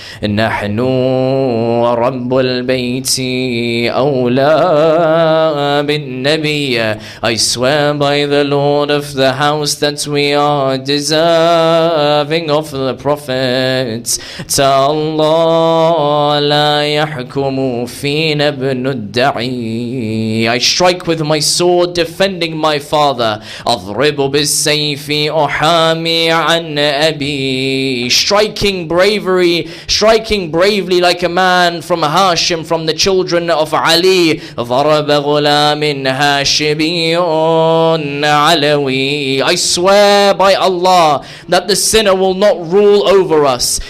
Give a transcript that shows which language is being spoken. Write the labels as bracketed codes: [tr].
[ar] نحن ورب البيت أولى بالنبي. [en] I swear by the Lord of the house that we are deserving of the Prophet. [ar] تالله لا يحكم فينا ابن الدعي. [en] I strike with my sword defending my father. [ar] أضرب بالسيف أحامي عن أبي. [en] Striking bravery, striking bravely like a man from Hashim, from the children of Ali. [ar] ضرب غلام هاشمي علوي. [en] I swear by Allah that the sinner will not rule over us.